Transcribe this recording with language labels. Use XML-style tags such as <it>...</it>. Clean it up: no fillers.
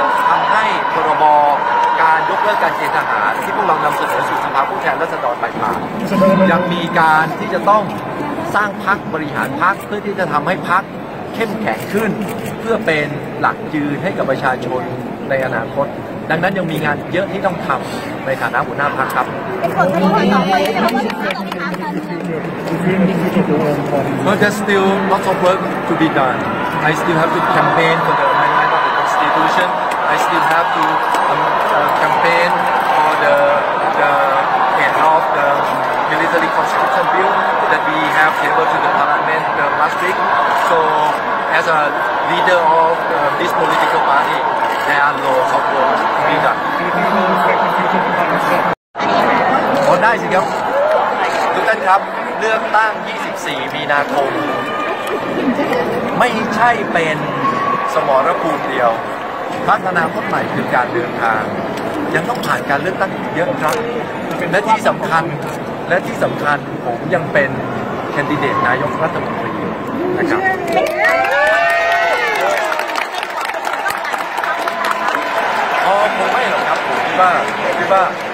<th>ทำให้พรบการยกเลิกการเกณฑ์ทหารที่พวกเรานำเสนอสู่สภาผู้แทนราษฎรไปมายังมีการที่จะต้องสร้างพรรคบริหารพรรคเพื่อที่จะทำให้พรรคเข้มแข็งขึ้นเพื่อเป็นหลักยืนให้กับประชาชนในอนาคตดังนั้นยังมีงานเยอะที่ต้องทำในฐานะหัวหน้าพรรคครับ</th> <en>No, there's still lots of work to be done. I still have to campaign for the amendment of the constitution. I still have to campaign for the end of the military constitution bill that we have tabled to the parliament last week. So, as a leader of this political party, there are lots of work to be done.</en> <th>ได้สิครับทุกท่านครับเลือกตั้ง24มีนาคมไม่ใช่เป็นสมรภูมิเดียวพัฒนาคนใหม่คือการเดินทาง ยังต้องผ่านการเลือกตั้งเยอะครับและที่สำคัญและที่สำคัญผมยังเป็นแคนดิเดตนายกรัฐมนตรีนะครับคงไม่หรอกครับผมคิดว่า</th>